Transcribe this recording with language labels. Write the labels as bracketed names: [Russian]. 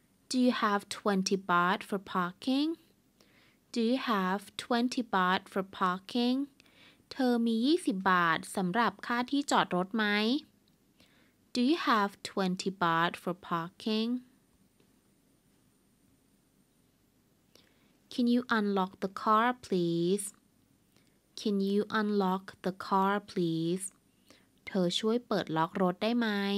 [English] Do you have 20 baht for parking? Do you have 20 baht for parking? [Thai] เธอมี20บาทสำหรับค่าที่จอดรถไหม? [English] Do you have 20 baht for parking? Can you unlock the car, please? Can you unlock the car, please? [Thai] เธอช่วยเปิดล็อกรถได้ไหม